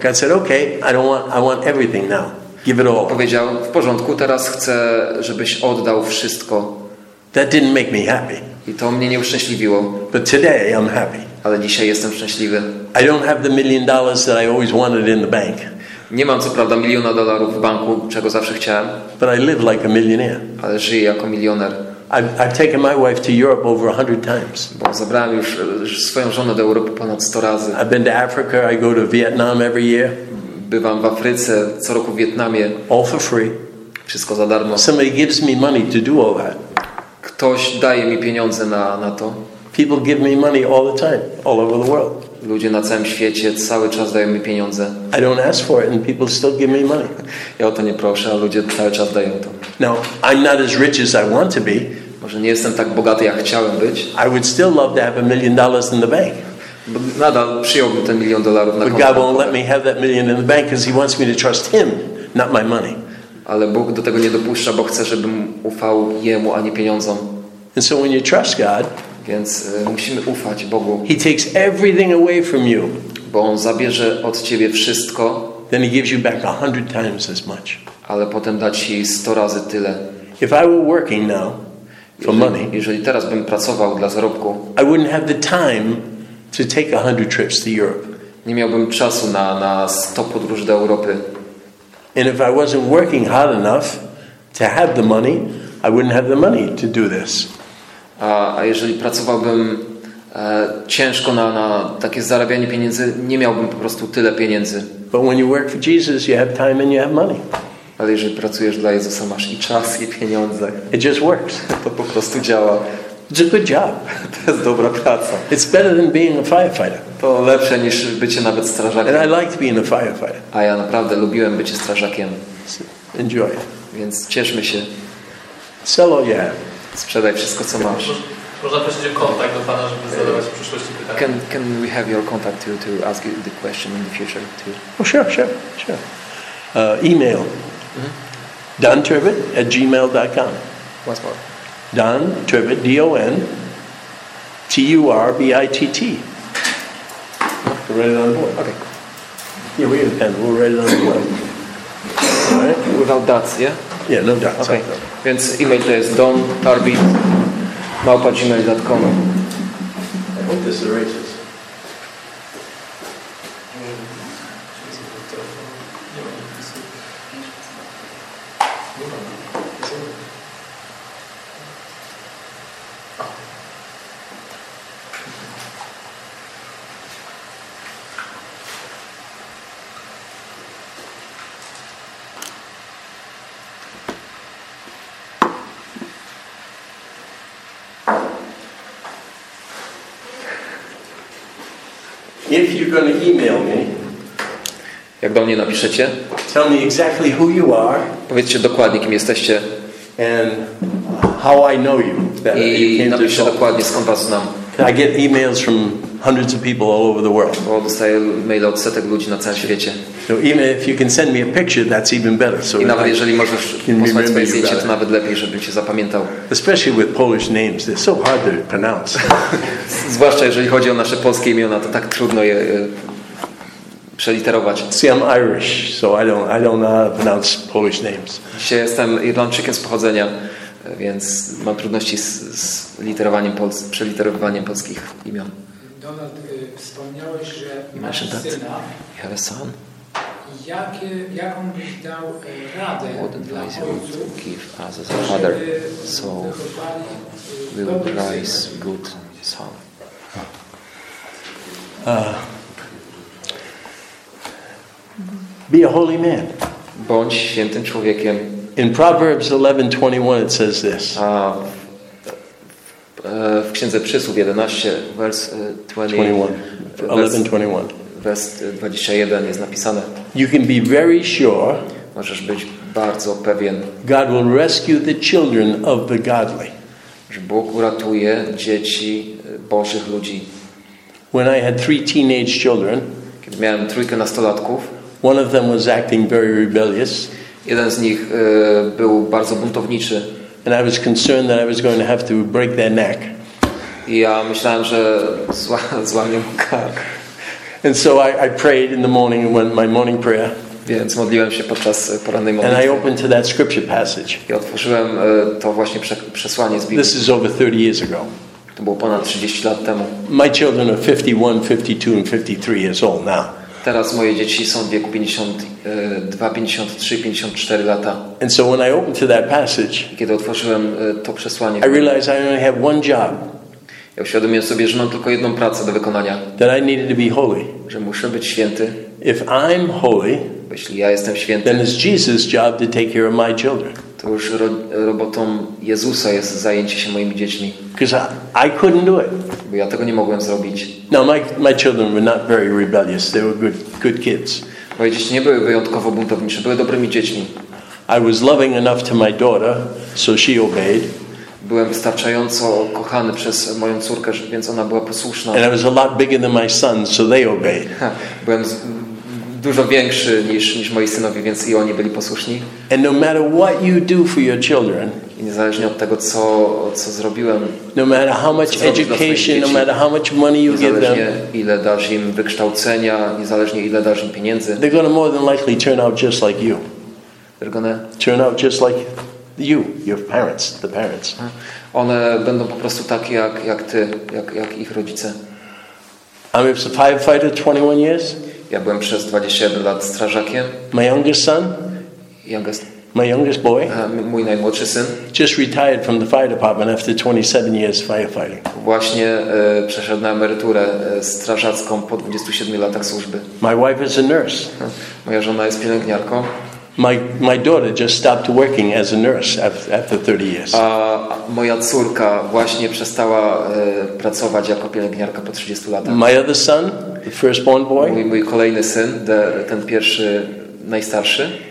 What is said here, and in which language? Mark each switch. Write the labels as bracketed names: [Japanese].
[English] God said, okay, I want everything now. Give it all. [Polish] Powiedział, w porządku, teraz chcę, żebyś oddał wszystko. [English] That didn't make me happy. [Polish] I to mnie nie uszczęśliwiło. [English] But today I'm happy. [Polish] Ale dzisiaj jestem szczęśliwy. [English] I don't have the $1 million that I always wanted in the bank. [Polish] Nie mam co prawda miliona dolarów w banku, czego zawsze chciałem. [English] But I live like a millionaire. [Polish] Ale żyję jako milioner. [English] I've taken my wife to Europe over 100 times. [Polish] Bo zabrałem już swoją żonę do Europy ponad 100 razy. [English] I've been to Africa, I go to Vietnam every year. [Polish] Bywam w Afryce, co roku w Wietnamie. [English] All for free. [Polish] Wszystko za darmo. [English] Somebody gives me money to do all that. [Polish] Ktoś daje mi pieniądze na to. [English] People give me money all the time, all over the world. [Polish] Ludzie na całym świecie cały czas dają mi pieniądze. [English] I don't ask for it and people still give me money. [Polish] Ja o to nie proszę, a ludzie cały czas dają to. [English] Now, I'm not as rich as I want to be. [Polish] Może nie jestem tak bogaty, jak chciałem być. [English] I would still love to have $1 million in the bank. [Polish] Nadal przyjąłbym ten milion dolarów na konto. [English] But God won't let me have that million in the bank because He wants me to trust Him, not my money. [Polish] Ale Bóg do tego nie dopuszcza, bo chce, żebym ufał Jemu, a nie pieniądzom. [English] And so when you trust God, [Polish] więc musimy ufać Bogu. [English] He takes everything away from you. [Polish] Bo on zabierze od ciebie wszystko. [English] Then He gives you back 100 times as much. [Polish] Ale potem da ci 100 razy tyle. [English] If I were working now for money, [Polish] jeżeli teraz bym pracował dla zarobku, [English] I wouldn't have the time to take 100 trips to Europe. [Polish] Nie miałbym czasu na 100 podróży do Europy. [English] And if I wasn't working hard enough to have the money, I wouldn't have the money to do this. [Polish] A jeżeli pracowałbym ciężko na takie zarabianie pieniędzy, nie miałbym po prostu tyle pieniędzy. [English] But when you work for Jesus, you have time and you have money. [Polish] Ale jeżeli pracujesz dla Jezusa, masz i czas, i pieniądze. [English] It just works. [Polish] To po prostu działa. [English] It's a good job. [Polish] To jest dobra praca. [English] It's better than being a firefighter. [Polish] To lepsze niż bycie nawet strażakiem. [English] And I liked being a firefighter. [Polish] A ja naprawdę lubiłem być strażakiem. [English] Enjoy. [Polish] Więc cieszmy się. [English] Sell all you have. [Polish] Sprzedaj wszystko, co masz. Można prosić o kontakt do pana, żeby zadawać w przyszłości pytania. [English] Can we have your contact to ask you the question in the future too? Oh, sure. Email. Mm-hmm. DonTurbitt@gmail.com. What's more? Don Turbitt, D-O-N, T-U-R-B-I-T-T. Write it on the board. Okay. Yeah, we have a pen. We'll write it on the board. All right. Without dots, yeah? Yeah, no dots. Okay. [Polish] Więc e-mail to jest don.turbitt@gmail.com. [English] I hope this erases. If you're going to email me, [Polish] jak do mnie napiszecie, [English] tell me exactly who you are. [Polish] Powiedzcie dokładnie, kim jesteście. [English] And how I know you. [Polish] I napiszcie dokładnie, skąd was znam. [English] I get emails from hundreds of people all over the world. [Polish] Bo dostaję maile od setek ludzi na całym świecie. [English] So even if you can send me a picture, that's even better. So [Polish] i nawet jeżeli możesz posłać swoje zdjęcie, to nawet lepiej, żebym cię zapamiętał. [English] Especially with Polish names, they're so hard to pronounce. [Polish] Zwłaszcza jeżeli chodzi o nasze polskie imiona, to tak trudno je przeliterować. [English] See, I'm Irish, so I don't know how to pronounce Polish names. [Polish] Ja jestem Irlandczykiem z pochodzenia, więc mam trudności z literowaniem przeliterowaniem polskich imion. Donald, wspomniałeś, że masz syna. [English] You have a son? What advice you would give us as a father, so we will raise good son? Be a holy man. [Polish] Bądź świętym człowiekiem. [English] In Proverbs 11:21 it says this. [Polish] W Księdze Przysłów 11, [English] verse 21. [Polish] Wers 21 jest napisane. [English] You can be very sure. [Polish] Możesz być bardzo pewien. [English] God will rescue the children of the godly. [Polish] Że Bóg uratuje dzieci Bożych ludzi. [English] When I had three teenage children, [Polish] kiedy miałem trójkę nastolatków, [English] one of them was acting very rebellious. [Polish] Jeden z nich był bardzo buntowniczy. [English] And I was concerned that I was going to have to break their neck. [Polish] I ja myślałem, że złamię mu kark. [English] And so I prayed in the morning when my morning prayer. [Polish] Więc modliłem się podczas porannej modlitwy. [English] And I opened to that scripture passage. [Polish] I otworzyłem to właśnie przesłanie z Biblii. [English] This is over 30 years ago. [Polish] To było ponad 30 lat temu. [English] My children are 51, 52 and 53 years old now. [Polish] Teraz moje dzieci są w wieku 52, 53, 54 lata. [English] And so when I opened to that passage, [Polish] kiedy otworzyłem to przesłanie, [English] I realized I only have one job. [Polish] Ja uświadomiłem sobie, że mam tylko jedną pracę do wykonania. [English] That I needed to be holy. [Polish] Że muszę być święty. [English] If I'm holy, [Polish] jeśli ja jestem święty, [English] then it's Jesus' job to take care of my children. [Polish] To już robotą Jezusa jest zajęcie się moimi dziećmi. [English] Because I couldn't do it. [Polish] Bo ja tego nie mogłem zrobić. [English] Now my children were not very rebellious. They were good kids. [Polish] Moje dzieci nie były wyjątkowo buntownicze. Były dobrymi dziećmi. [English] I was loving enough to my daughter, so she obeyed. [Polish] Byłem wystarczająco kochany przez moją córkę, więc ona była posłuszna. [English] And I was a lot bigger than my son, so they obeyed. [Polish] Byłem dużo większy niż moi synowie, więc i oni byli posłuszni. [English] And no matter what you do for your children, [Polish] i niezależnie od tego, co zrobiłem, [English] no matter how much education, no matter how much money you give them, [Polish] ile dasz im wykształcenia, niezależnie ile dasz im pieniędzy, [English] they're gonna more than likely turn out just like you. They're gonna turn out just like you, your parents, the parents. [Polish] One będą po prostu takie jak ty, jak ich rodzice. [English] I'm a firefighter 21 years. [Polish] Ja byłem przez 27 lat strażakiem. [English] My youngest son. My youngest boy. [Polish] Mój najmłodszy syn. [English] Just retired from the fire department after 27 years firefighting. [Polish] Właśnie przeszedł na emeryturę strażacką po 27 latach służby. [English] My wife is a nurse. [Polish] Moja żona jest pielęgniarką. [English] My daughter just stopped working as a nurse after 30 years. [Polish] A moja córka właśnie przestała pracować jako pielęgniarka po 30 latach. [English] My other son, the firstborn boy. [Polish] Mój kolejny syn, ten pierwszy, najstarszy.